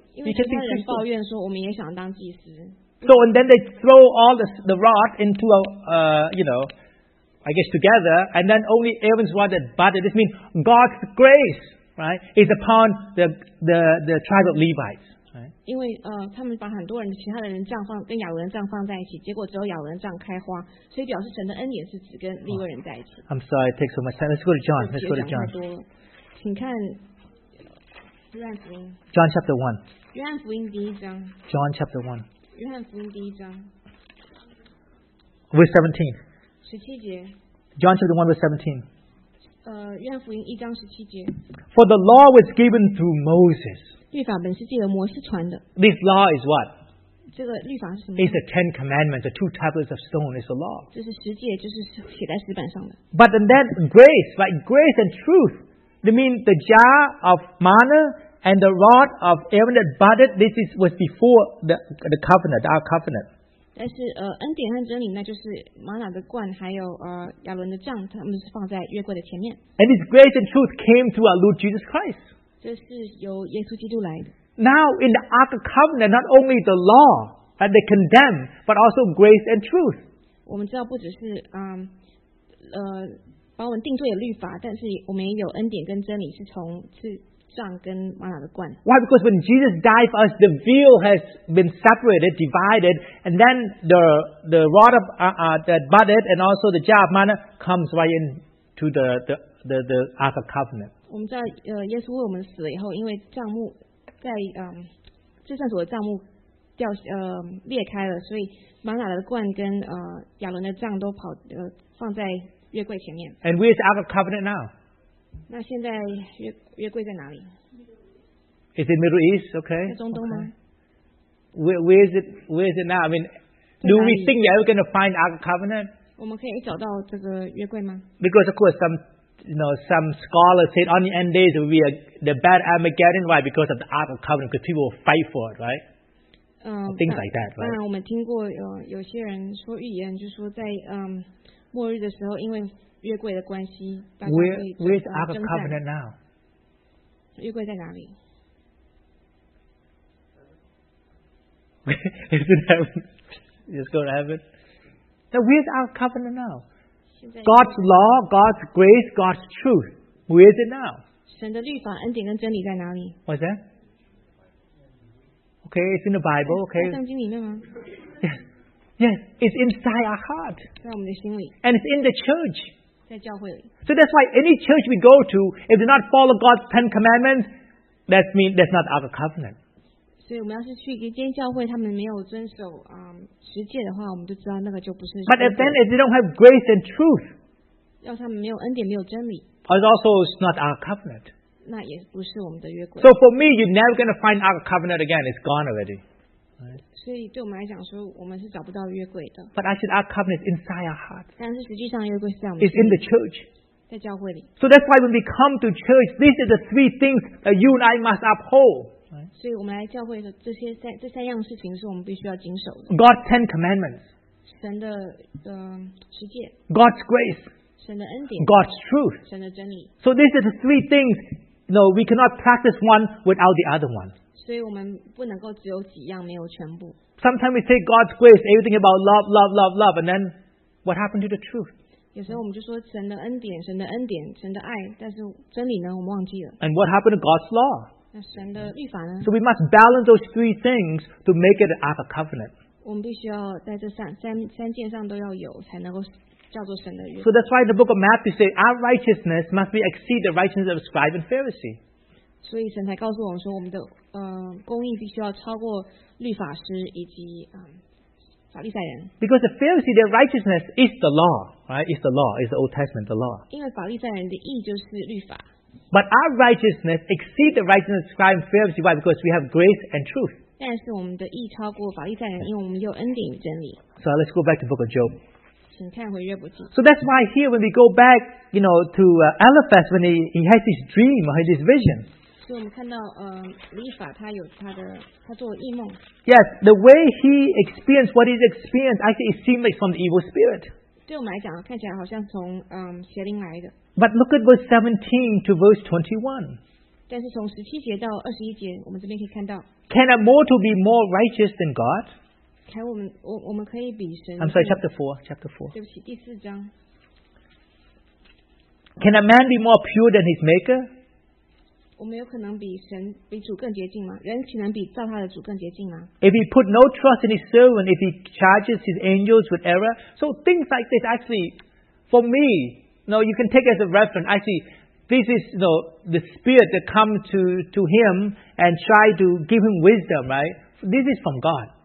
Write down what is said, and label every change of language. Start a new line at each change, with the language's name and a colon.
English: Because the people complained, "We also want to be priests." So, and then they throw all the rod into together, and then only Aaron's rod that budded. This means God's grace, right, is upon the tribe of Levites. Because they put many other people's
Chinese: 杖放跟亚伦杖放在一起，结果只有亚伦杖开花，所以表示神的恩典是只跟利未人在一起。
English: I'm sorry, it takes so much time. Let's go to John. Let's go to John.
Chinese: 请看约翰福音。
English: John chapter one.
Chinese: 约翰福音第一章。
English: John chapter one.
Chinese: 约翰福音第一章。
English: Verse 17.
Chinese: 十七节。
English: John chapter one, verse 17.
Chinese: 约翰福音一章十七节。
English: For the law was given through Moses.
Chinese: 律法本是借着摩西传的。
English: This law is what?
Chinese: 这个律法是什么？
English: It's the Ten Commandments, the two tablets of stone. It's the law.
Chinese: 这是十诫，就是写在石板上的。
English: But then grace, right? Grace and truth. They mean the jar of manna and the rod of Aaron that budded. This is was before the covenant, our covenant.
Chinese: 但是恩典和真理，那就是玛拿的冠，还有亚伦的杖，他们是放在约柜的前面。
English: And His grace and truth came through our Lord Jesus Christ.
Chinese: 这是由耶稣基督来的。
English: Now in the Ark of Covenant, not only the law that they condemn, but also grace and truth.
Chinese: 我们知道不只是把我们定罪的律法，但是我们也有恩典跟真理，是从是杖跟玛拿的冠。
English: Why? Because when Jesus died for us, the veil has been separated, divided, and then the rod of that budded and also the jar of manna comes right into the Ark of Covenant.
Chinese: 我们知道，耶稣为我们死了以后，因为帐幕在至圣所的帐幕掉裂开了，所以玛拿的冠跟亚伦的杖都跑放在约柜前面。
English: And where's the Ark of Covenant now?
Chinese: 那现在约柜在哪里
English: ？Is it Middle East? Okay.
Chinese: 中东吗
English: ？Where is it now? I mean, do we think we're ever going to find Ark of Covenant?
Chinese: 我们可以找到这个约柜吗
English: ？Because of course some scholars said on the end days will be the bad Armageddon, right? Because of the Ark of Covenant, because people will fight for it, right? Things like that, right?
Chinese: 当然，我们听过有些人说预言，就说在末日的时候，因为约柜的关系，大家会
English: Where's Ark of Covenant now?
Chinese: 约柜在哪里？
English: Is it heaven? Just go to heaven? Then where's Ark of Covenant now? God's law, God's grace, God's truth. Where is it now?
Chinese: 神的律法、恩典跟真理在哪里？
English: What's that? Okay, it's in the Bible. Okay.
Chinese: 在圣经里面吗？
English: Yes, it's inside our heart.
Chinese: 在我们的心里。
English: And it's in the church.
Chinese: 在教会里。
English: So that's why any church we go to, if they not follow God's Ten Commandments, that means that's not our covenant.
Chinese: 所以我们要是去一间教会，他们没有遵守十诫的话，我们就知道那个就不是。
English: But then, if they don't have grace and truth,
Chinese: 要他们没有恩典，没有真理。
English: It's also not our covenant.
Chinese: 那也不是我们的约柜。
English: So for me, you're never going to find our covenant again. It's gone already.、Right?
Chinese: 所以对我们来讲说，我们是找不到约柜的。
English: But actually, our covenant is inside our heart.
Chinese: 但是实际上，约柜是在我们。
English: It's in the church.
Chinese: 在教会里。
English: So that's why when we come to church, these are the three things that you and I must uphold.
Chinese: 所以我们来教会的这三样事情是我们必须要谨守的。
English: God's Ten Commandments.
Chinese: 神的十诫。
English: God's grace.
Chinese: 神的恩典。
English: God's truth.
Chinese: 神的真理。
English: So these are the three things. No, we cannot practice one without the other one.
Chinese: 所以我们不能够只有几样，没有全部。
English: Sometimes we say God's grace, everything about love, love, love, love, and then what happened to the truth?
Chinese: 有时候我们就说神的恩典，神的恩典，神的爱，但是真理呢，我们忘记了。
English: And what happened to God's law?
Chinese: 神的律法呢?
English: So we must balance those three things to make it an Ark of Covenant.
Chinese: 我们必须要在这三件上都要有，才能够叫做神的约。
English: So that's why the book of Matthew says our righteousness must be exceed the righteousness of scribes and Pharisees.
Chinese: 所以神才告诉我们说，我们的公义必须要超过律法师以及法利赛人。
English: Because the Pharisee, their righteousness is the law, right? It's the law, it's the Old Testament, the law.
Chinese: 因为法利赛人的义就是律法。
English: But our righteousness exceeds the righteousness of scribes and Pharisees. Why? Because we have grace and truth. So let's go back to the book of Job. So that's why here when we go back, you know, to Eliphaz, when he has his dream or his vision. Yes, the way he experienced what he experienced, actually it seemed like from the evil spirit. But look at verse 17 to verse 21.
Chinese: 但是从17节到21节，我们这边可以看到，
English: can a mortal be more righteous than God?
Chinese: 我们可以比神，
English: I'm sorry, chapter 4.
Chinese: 对不起，第四章。
English: Can a man be more pure than his maker?
Chinese: 我们有可能比神，比主更洁净吗？人岂能比造他的主更洁净吗？
English: If he put no trust in his servant, if he charges his angels with error. So things like this, actually, for me, no, you can take as a reference, actually, this is, you know, the spirit that comes to him and try to give him wisdom, right? This is from God.